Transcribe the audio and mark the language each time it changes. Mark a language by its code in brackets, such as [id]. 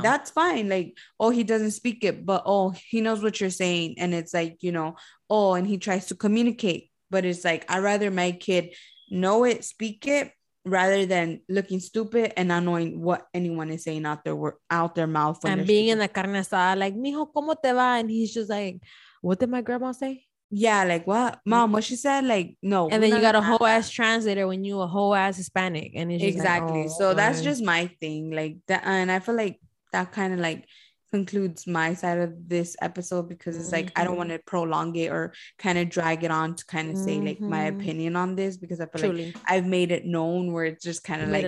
[en] that's fine. Like, oh, he doesn't speak it, but oh, he knows what you're saying, and it's like, you know, oh, and he tries to communicate. But it's like, I'd rather my kid know it, speak it, rather than looking stupid and not knowing what anyone is saying out their mouth. And being in the carne asada, like, [es] mijo, ¿cómo te va? [en] And he's just like, what did my grandma say? Yeah, like, what? Mom, what she said? Like, no. And then you got a whole ass translator when you a whole ass Hispanic. And it's just exactly. Like, oh, so that's just my thing. Like, that, and I feel like that kind of, like, concludes my side of this episode, because it's like, mm-hmm, I don't want to prolong it or kind of drag it on to kind of say, like, mm-hmm, my opinion on this, because I feel truly, like, I've made it known where it's just kind of like